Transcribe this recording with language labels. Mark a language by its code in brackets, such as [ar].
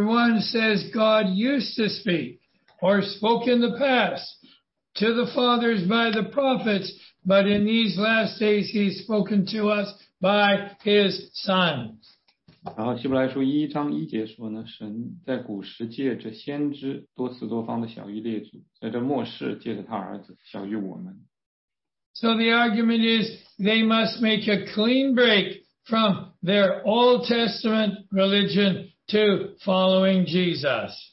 [en] 1 says God used to speak or spoke in the past to the fathers by the prophets, but in these last days he's spoken to us by his Son. [zh] 然后希伯来书一章一节说呢，神在古时借着先知多次多方的晓谕列祖，在这末世借着他儿子晓谕我们。 [en] So the argument is they must make a clean break from their Old Testament religion to following Jesus.